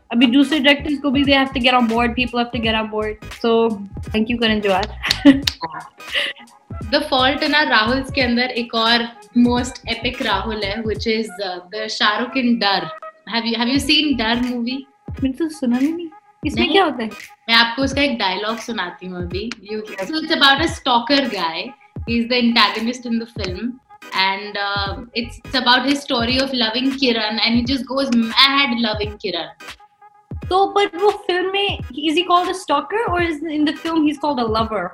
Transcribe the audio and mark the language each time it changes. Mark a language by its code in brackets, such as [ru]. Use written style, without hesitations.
[hi] Abhi dusre directors ko bhi, [en] they have to get on board, people have to get on board. So thank you, Karan Johar. The fault in our Rahul's [hi] ke andar ek aur [en] most epic Rahul hai, which is the Shah Rukh in Dar. Have you seen Dar movie? [hi] मैंने तो सुना नहीं. इसमें क्या होता है? मैं आपको उसका एक dialogue सुनाती हूँ अभी. [en] So it's about a stalker guy. He's the antagonist in the film. And it's about his story of loving Kiran, and he just goes mad loving Kiran. So, but in the film, is he called a stalker, or is in the film he's called a lover?